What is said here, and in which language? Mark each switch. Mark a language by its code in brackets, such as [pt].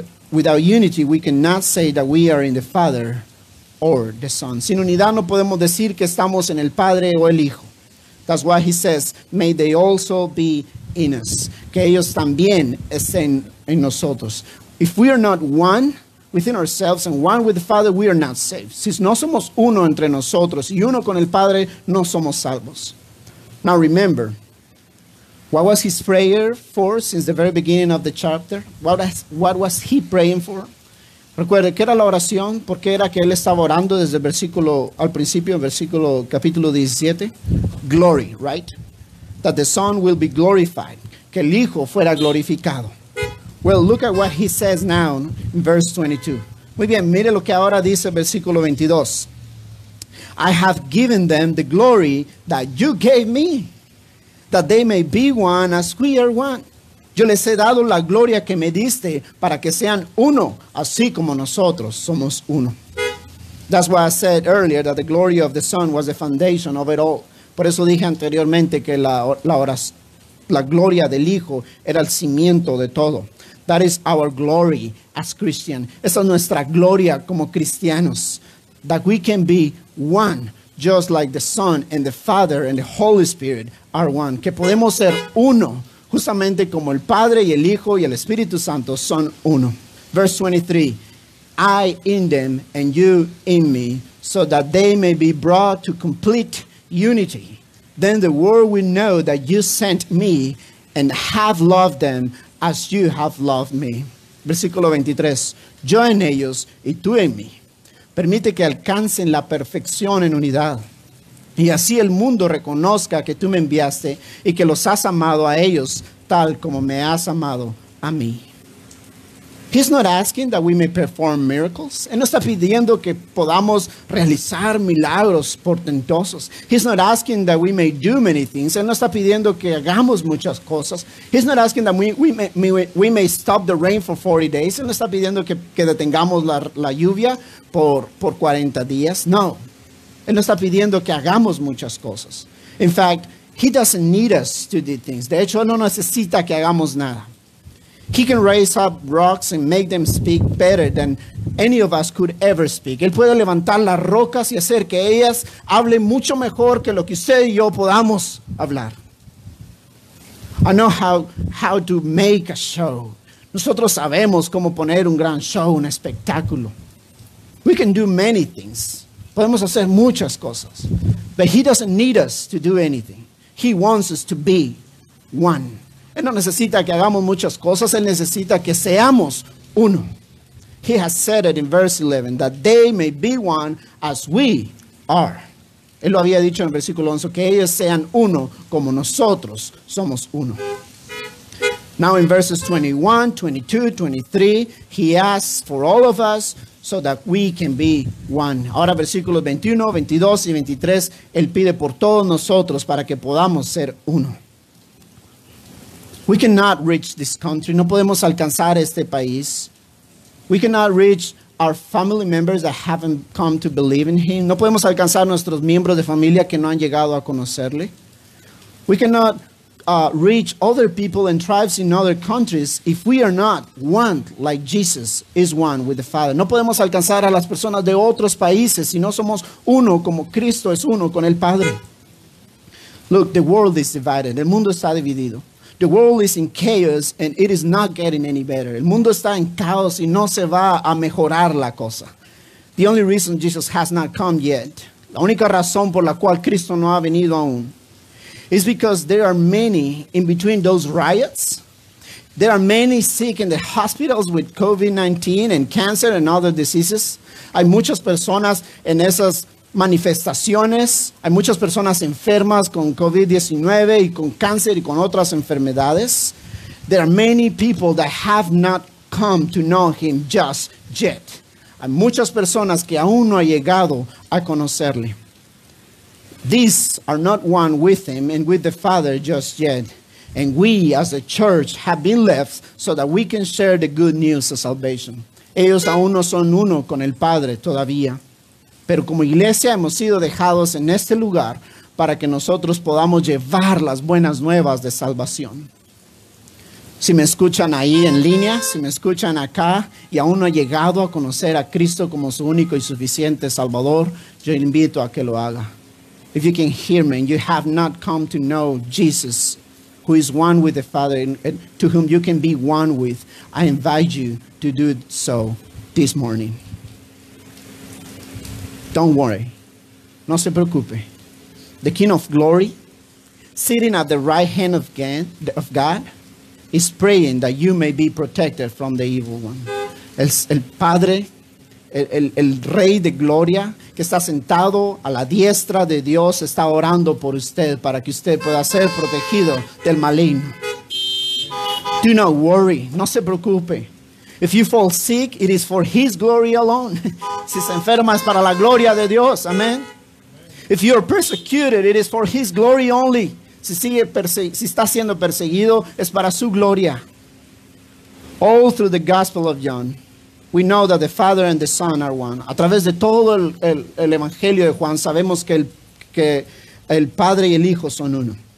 [en] Without unity, we cannot say that we are in the Father or the Son. [es] Sin unidad, no podemos decir que estamos en el Padre o el Hijo. [en] That's why he says, may they also be in us. [es] Que ellos también estén en nosotros. [en] If we are not one within ourselves and one with the Father, we are not saved. [es] Si no somos uno entre nosotros y uno con el Padre, no somos salvos. [en] Now remember, what was his prayer for since the very beginning of the chapter? What was he praying for? [es] Recuerde, ¿qué era la oración? ¿Por qué era que él estaba orando desde el versículo, al principio, en versículo, capítulo 17? [en] Glory, right? That the Son will be glorified. [es] Que el Hijo fuera glorificado. [en] Well, look at what he says now in verse 22. [es] Muy bien, mire lo que ahora dice el versículo 22. [en] I have given them the glory that you gave me, that they may be one as we are one. [es] Yo les he dado la gloria que me diste para que sean uno, así como nosotros somos uno. [en] That's why I said earlier that the glory of the Son was the foundation of it all. [es] Por eso dije anteriormente que la gloria del Hijo era el cimiento de todo. [en] That is our glory as Christian. [es] Esa es nuestra gloria como cristianos. [en] That we can be one, just like the Son and the Father and the Holy Spirit are one. [es] Que podemos ser uno, justamente como el Padre y el Hijo y el Espíritu Santo son uno. [en] Verse 23, I in them and you in me, so that they may be brought to complete unity. Then the world will know that you sent me and have loved them as you have loved me. [es] Versículo 23, yo en ellos y tú en mí. Permite que alcancen la perfección en unidad. Y así el mundo reconozca que tú me enviaste y que los has amado a ellos tal como me has amado a mí. [en] He's not asking that we may perform miracles. [es] Él no está pidiendo que podamos realizar milagros portentosos. [en] He's not asking that we may do many things. [es] Él no está pidiendo que hagamos muchas cosas. [en] He's not asking that we may stop the rain for 40 days. [es] Él no está pidiendo que detengamos la lluvia por 40 días. No. Él no está pidiendo que hagamos muchas cosas. [en] In fact, he doesn't need us to do things. [es] De hecho, él no necesita que hagamos nada. [en] He can raise up rocks and make them speak better than any of us could ever speak. [es] Él puede levantar las rocas y hacer que ellas hablen mucho mejor que lo que usted y yo podamos hablar. [en] I know how to make a show. [es] Nosotros sabemos cómo poner un gran show, un espectáculo. [en] We can do many things. [es] Podemos hacer muchas cosas. [en] But he doesn't need us to do anything. He wants us to be one. [es] Él no necesita que hagamos muchas cosas. Él necesita que seamos uno. [en] He has said it in verse 11. That they may be one as we are. [es] Él lo había dicho en el versículo 11. Que ellos sean uno como nosotros somos uno. [en] Now in verses 21, 22, 23. He asks for all of us so that we can be one. [es] Ahora versículos 21, 22 y 23. Él pide por todos nosotros para que podamos ser uno. [en] We cannot reach this country. [es] No podemos alcanzar este país. [en] We cannot reach our family members that haven't come to believe in him. [es] No podemos alcanzar nuestros miembros de familia que no han llegado a conocerle. [en] We cannot reach other people and tribes in other countries if we are not one like Jesus is one with the Father. [es] No podemos alcanzar a las personas de otros países si no somos uno como Cristo es uno con el Padre. [en] Look, the world is divided. [es] El mundo está dividido. [en] The world is in chaos and it is not getting any better. [es] El mundo está en caos y no se va a mejorar la cosa. [en] The only reason Jesus has not come yet, [es] la única razón por la cual Cristo no ha venido aún, [en] is because there are many in between those riots There are many sick in the hospitals with COVID-19 and cancer and other diseases. [es] Hay muchas personas en esas manifestaciones. Hay muchas personas enfermas con COVID-19 y con cáncer y con otras enfermedades. [en] There are many people that have not come to know him just yet. [es] Hay muchas personas que aún no ha llegado a conocerle. [en] These are not one with him and with the Father just yet. And we as a church have been left so that we can share the good news of salvation. [es] Ellos aún no son uno con el Padre todavía. Pero como iglesia hemos sido dejados en este lugar para que nosotros podamos llevar las buenas nuevas de salvación. Si me escuchan ahí en línea, si me escuchan acá y aún no ha llegado a conocer a Cristo como su único y suficiente Salvador, yo invito a que lo haga. [en] If you can hear me and you have not come to know Jesus, who is one with the Father and to whom you can be one with, I invite you to do so this morning. Don't worry. [es] No se preocupe. [en] The King of Glory, sitting at the right hand of God, is praying that you may be protected from the evil one. [es] El Padre, el Rey de Gloria, que está sentado a la diestra de Dios, está orando por usted para que usted pueda ser protegido del maligno. [en] Do not worry. [es] No se preocupe. [en] If you fall sick, it is for His glory alone. [es] Si se enferma, es para la gloria de Dios. [en] Amen. If you are persecuted, it is for His glory only. [es] Si está siendo perseguido, es para su gloria. [en] All through the Gospel of John, we know that the Father and the Son are one. [es] A través de todo el Evangelio de Juan, sabemos que el Padre y el Hijo son uno.